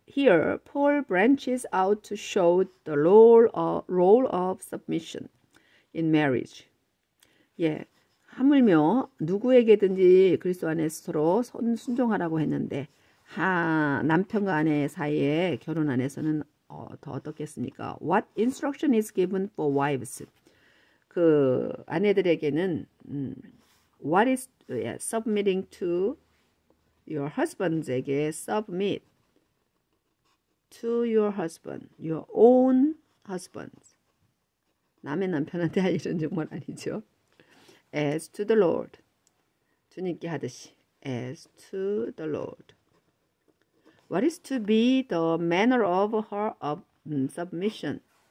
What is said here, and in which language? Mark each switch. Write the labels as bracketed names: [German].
[English] Here, Paul branches out to show the role of submission in marriage. [Korean] 예, 하물며 누구에게든지 그리스도 안에서 서로 순종하라고 했는데, 남편과 아내 사이에 결혼 안에서는 더 어떻겠습니까? [English] What instruction is given for wives? [Korean] 그 아내들에게는 [English] What is submitting to your husband에게 submit to your husband, your own husband. [Korean] 남의 남편한테 할 일은 정말 아니죠. [English] As to the Lord, [Korean] 주님께 하듯이. [English] As to the Lord, what is to be the manner of her of submission?